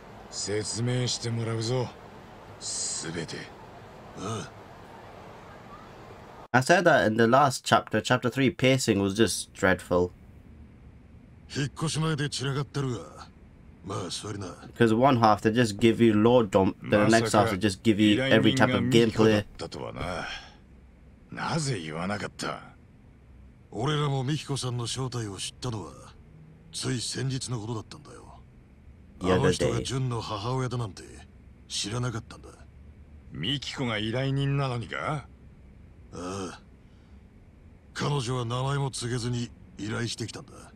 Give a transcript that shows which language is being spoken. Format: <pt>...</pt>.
<ja>説明してもらうぞ、すべて。うん。</ja> <en>I said that in the last chapter, chapter 3, pacing was just dreadful.</en> <ja>引っ越し前で散らかってるが、まあ座りな。</ja> <en>Because one half they just give you lore dump, then the next half they just give you every type of gameplay.</en> <ja>だとはな。なぜ言わなかった。俺らもミキコさんの正体を知ったのはつい先日のことだったんだよ。あの人がジュンの母親だなんて知らなかったんだ。ミキコが依頼人なのにか。ああ、彼女は名前も告げずに依頼してきたんだ。</ja>